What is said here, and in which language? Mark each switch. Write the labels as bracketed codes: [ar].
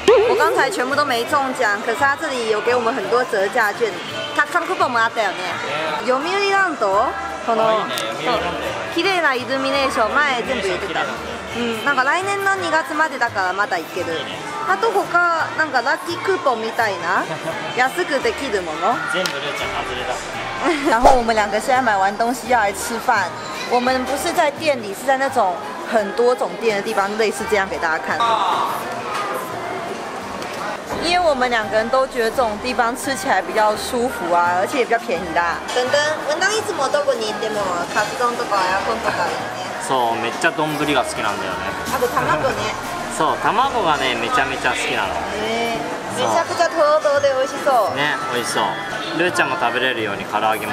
[zh] 我刚才全部都没中奖，可是他这里有给我们很多折价券。 [ja] たくさんクーポンもらったよね。読売ランド。この綺麗なイルミネーション前全部言ってた。なんか来年の2月までだからまだ行ける。あと他なんかラッキークーポンみたいな安くできるもの。全部ルちゃん外れた。 [zh] 然后我们两个现在买完东西要来吃饭。我们不是在店里，是在那种很多种店的地方，类似这样给大家看。因为我们两个人都觉得这种地方吃起来比较舒服啊，而且也比较便宜啦。等等， [ja] 文当いつもどこに行ってもカツ丼とかエアコンとかね。そう、めっちゃ丼ぶりが好きなんだよね。あと卵ね。そう、卵がね、めちゃめちゃ好きなの。めちゃくちゃとろとろで美味しそう。ね、美味しそう。ルーちゃんも食べれるように唐揚げも頼